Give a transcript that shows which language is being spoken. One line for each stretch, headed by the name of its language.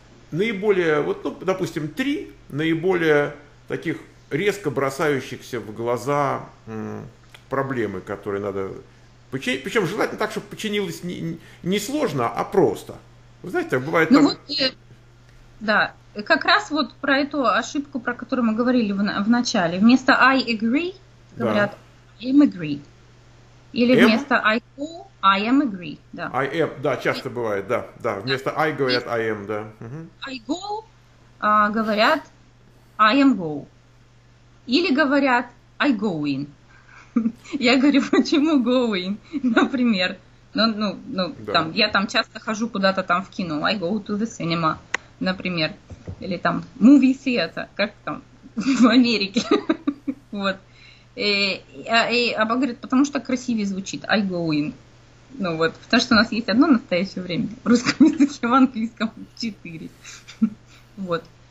Russian: Наиболее, вот, ну, допустим, три наиболее таких резко бросающихся в глаза проблемы, которые надо починить. Причем желательно так, чтобы починилось не сложно, а просто. Вы знаете, бывает Ну там... вот, да, как раз вот про эту ошибку, про которую мы говорили в начале. Вместо
English: I agree
Russian: Да. говорят
English: I am agree.
Russian: Или М? вместо
English: I go, I am agree.
Russian: Да. I am, да, часто бывает, да. Да, вместо I говорят I am, да.
English: I go,
Russian: говорят
English: I am go.
Russian: Или говорят
English: I going.
Russian: Я говорю, почему going, например. Ну, Да. там, я там часто хожу куда-то там в кино.
English: I go to the cinema,
Russian: например. Или там movie theater, как там в Америке. Вот. А баба говорит, потому что красивее звучит.
English: I go in.
Russian: Ну вот, потому что у нас есть одно настоящее время. В русском языке, в английском 4. Вот.